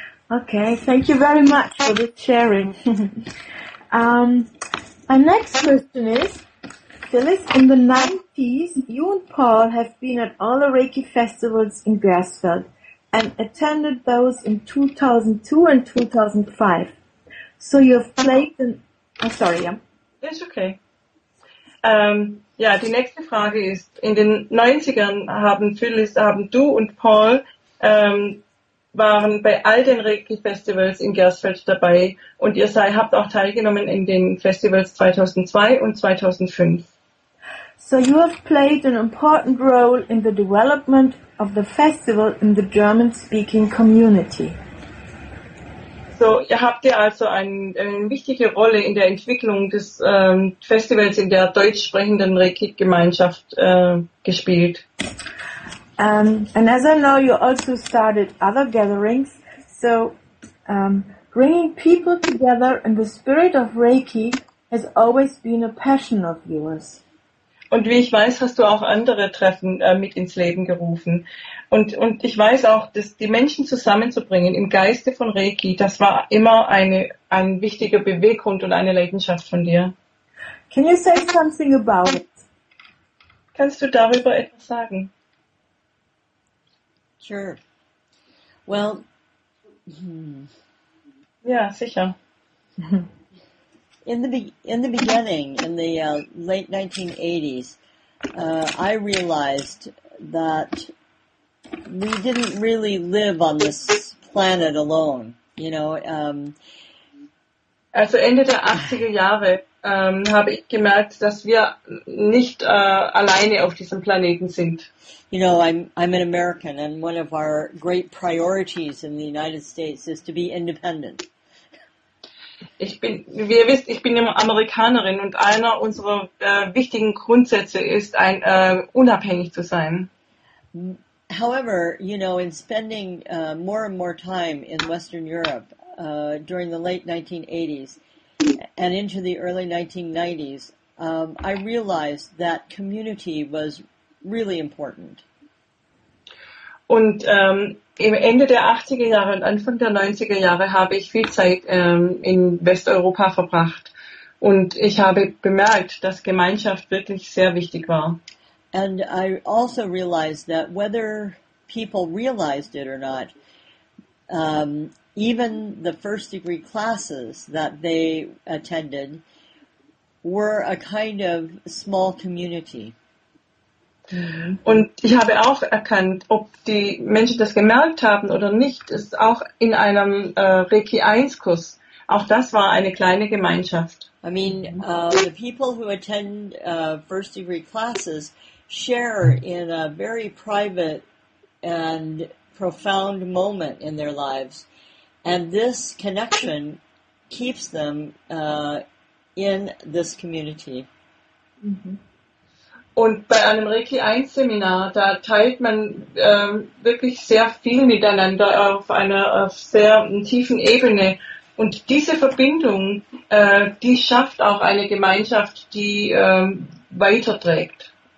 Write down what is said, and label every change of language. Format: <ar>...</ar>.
<en>Okay, thank you very much for the sharing. My next question is, Phyllis, in the 90s, you and Paul have been at all the Reiki festivals in Grassfeld and attended those in 2002 and 2005. So you have played in... I'm sorry, yeah. It's okay.</en> <de>Ja, die nächste Frage ist, in den 90ern haben du und Paul waren bei all den Reiki-Festivals in Gersfeld dabei und ihr habt auch teilgenommen in den Festivals 2002 und 2005.</de> <en>So you have played an important role in the development of the festival in the German-speaking community.</en> <de>So ihr habt ihr also eine wichtige Rolle in der Entwicklung des Festivals in der deutschsprechenden Reiki-Gemeinschaft gespielt.</de> <en>And as I know, you also started other gatherings. So Bringing people together in the spirit of Reiki has always been a passion of yours.</en> <de>Und wie ich weiß, hast du auch andere Treffen mit ins Leben gerufen. Und ich weiß auch, dass die Menschen zusammenzubringen im Geiste von Reiki, das war immer ein wichtiger Beweggrund und eine Leidenschaft von dir.</de> <en>Can you say something about it?</en> <de>Kannst du darüber etwas sagen?</de> <en>Sure. Well,</en> <de>Ja, sicher.</de> <en>In the beginning, in the late 1980s, I realized that we didn't really live on this planet alone. You know.</en> <de>Also Ende der 80er Jahre habe ich gemerkt, dass wir nicht alleine auf diesem Planeten sind.</de> <en>You know, I'm an American, and one of our great priorities in the United States is to be independent.</en> <de>Wie ihr wisst, ich bin immer Amerikanerin und einer unserer wichtigen Grundsätze ist, unabhängig zu sein.</de> <en>However, you know, in spending more and more time in Western Europe during the late 1980s and into the early 1990s, I realized that community was really important.</en> <de>Und im Ende der 80er Jahre und Anfang der 90er Jahre habe ich viel Zeit in Westeuropa verbracht. Und ich habe bemerkt, dass Gemeinschaft wirklich sehr wichtig war.</de> <en>And I also realized that whether people realized it or not, even the first degree classes that they attended were a kind of small community.</en> <de>Und ich habe auch erkannt, ob die Menschen das gemerkt haben oder nicht, ist auch in einem Reiki 1 Kurs. Auch das war eine kleine Gemeinschaft.</de> <en>I mean, the people who attend first degree classes share in a very private and profound moment in their lives. And this connection keeps them in this community. Mm-hmm.</en> <de>Und bei einem Reiki 1 Seminar, da teilt man wirklich sehr viel miteinander auf einer sehr tiefen Ebene. Und diese Verbindung, die schafft auch eine Gemeinschaft, die weiterträgt.</de>